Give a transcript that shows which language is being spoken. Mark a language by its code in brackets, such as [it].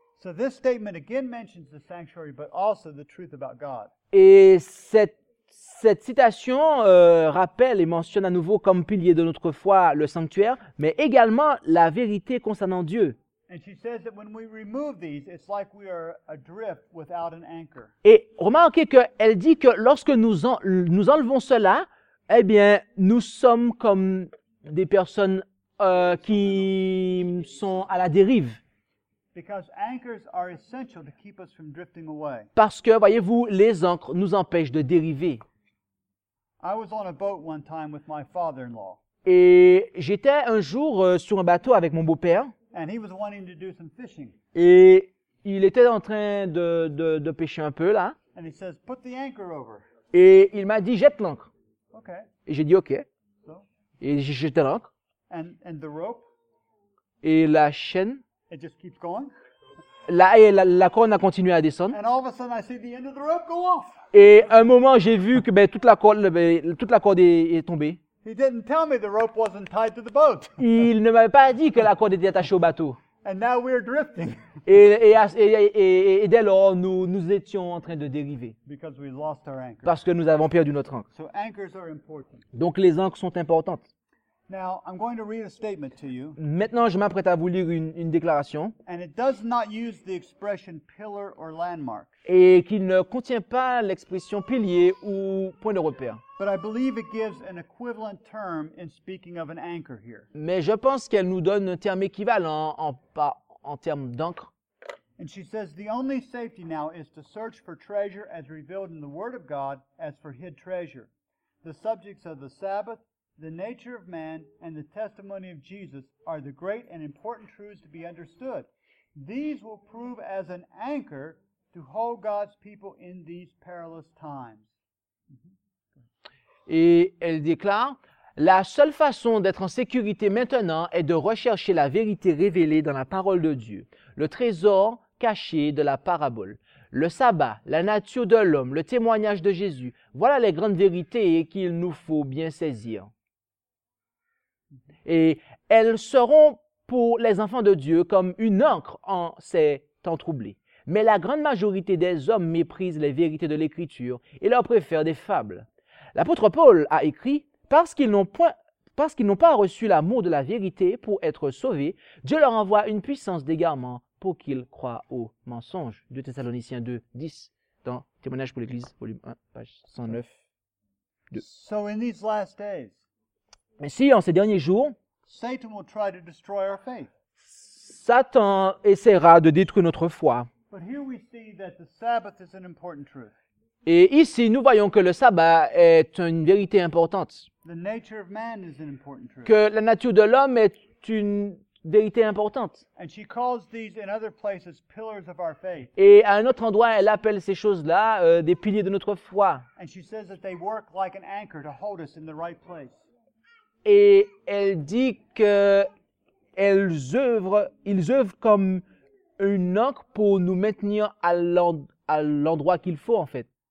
[en] So this statement again mentions the sanctuary, but also the truth about God. [fr] Et cette citation rappelle et mentionne à nouveau comme pilier de notre foi le sanctuaire, mais également la vérité concernant Dieu. [en] And she says that when we remove these, it's like we are adrift without an anchor. [fr] Et remarquez qu'elle dit que lorsque nous enlevons cela, eh bien, nous sommes comme des personnes qui sont à la dérive. [en] Because anchors are essential to keep us from drifting away. [fr] Parce que, voyez-vous, les ancres nous empêchent de dériver. [en] I was on a boat one time with my father-in-law. [fr] Et j'étais un jour sur un bateau avec mon beau-père. [en] And he was wanting to do some fishing. [fr] Et il était en train de pêcher un peu là. [en] And he says, put the anchor over. [fr] Et il m'a dit, jette l'ancre. [en] Okay. [fr] Et j'ai dit, ok. [en] So, [fr] et j'ai jeté l'ancre. [en] And the rope. [fr] Et la chaîne. [en] It just keeps going. [fr] La corde a continué à descendre. [en] And all of a sudden, I see the end of the rope go off. [fr] Et un moment, j'ai vu que toute la corde est tombée. [en] He didn't tell me the rope wasn't tied to the boat. [fr] Il ne m'avait pas dit que la corde était attachée au bateau. [en] And now we're drifting. [fr] Et dès lors, nous étions en train de dériver. [en] Because we lost our anchor. [fr] Parce que nous avons perdu notre ancre. [en] So anchors are important. [fr] Donc les ancres sont importantes. [en] Now I'm going to read a statement to you. [fr] Maintenant, je m'apprête à vous lire une déclaration. [en] And it does not use the expression pillar or landmark. [fr] Et qui ne contient pas l'expression pilier ou point de repère. [en] But I believe it gives an equivalent term in speaking of an anchor here. [fr] Mais je pense qu'elle nous donne un terme équivalent en termes d'ancre. [en] And she says the only safety now is to search for treasure as revealed in the Word of God as for hid treasure. The subjects of the Sabbath, the nature of man, and the testimony of Jesus are the great and important truths to be understood. These will prove as an anchor to hold God's people in these perilous times. [fr] Et elle déclare, la seule façon d'être en sécurité maintenant est de rechercher la vérité révélée dans la parole de Dieu, le trésor caché de la parabole, le sabbat, la nature de l'homme, le témoignage de Jésus. Voilà les grandes vérités qu'il nous faut bien saisir. Et elles seront pour les enfants de Dieu comme une ancre en ces temps troublés. Mais la grande majorité des hommes méprisent les vérités de l'Écriture et leur préfèrent des fables. L'apôtre Paul a écrit, parce qu'ils n'ont pas reçu l'amour de la vérité pour être sauvés, Dieu leur envoie une puissance d'égarement pour qu'ils croient au mensonge. 2 Thessaloniciens 2, 10, dans Témoignage pour l'Église, volume 1, page 109, 2. [en] So in these last days, [fr] si, en ces derniers jours, [en] Satan will try to destroy our faith. [fr] Satan essaiera de détruire notre foi. [en] But here we see that the Sabbath is an important truth. [fr] Et ici, nous voyons que le sabbat est une vérité importante. [en] The nature of man is an important truth. [fr] Que la nature de l'homme est une vérité importante. [en] And she calls these in other places pillars of our faith. [fr] Et à un autre endroit, elle appelle ces choses-là des piliers de notre foi. [en] And she says that they work like an anchor to hold us in the right place. [fr] Et elle dit que ils œuvrent comme une ancre pour nous maintenir à l'endroit qu'il faut, en fait.